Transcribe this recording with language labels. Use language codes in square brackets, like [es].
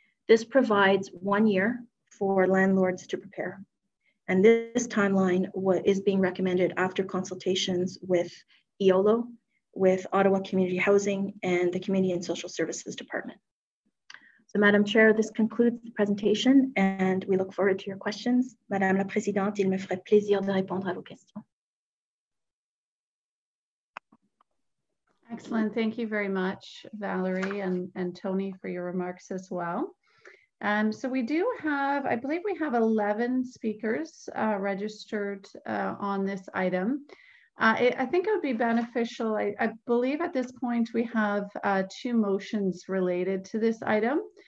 [en] This provides 1 year for landlords to prepare. And this timeline is being recommended after consultations with EOLO, with Ottawa Community Housing, and the Community and Social Services Department. So Madam Chair, this concludes the presentation and we look forward to your questions. [fr] Madame la Présidente, il me ferait plaisir de répondre à vos questions. [en] Excellent, thank you very much, Valerie and Tony, for your remarks as well. So we do have, I believe we have 11 speakers registered on this item. I think it would be beneficial, I believe at this point we have two motions related to this item.